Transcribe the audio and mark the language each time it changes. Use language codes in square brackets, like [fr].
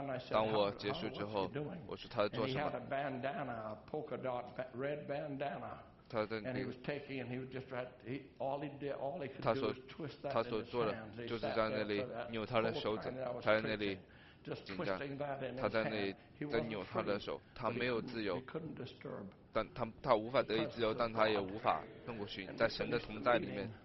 [zh] 当我结束之后，我说他在做什么？ [en] And he had a bandana, a polka dot, red bandana. [zh] 他的 [en] And he was taking, and he was just right. He all he did, all he could do was twist that. [zh] 他所做的就是在那里扭他的手指，他在那里紧张，他在那里在扭他的手，他没有自由。 [en] He couldn't disturb. [zh] 但他无法得以自由，但他也无法弄过去，在神的同在里面。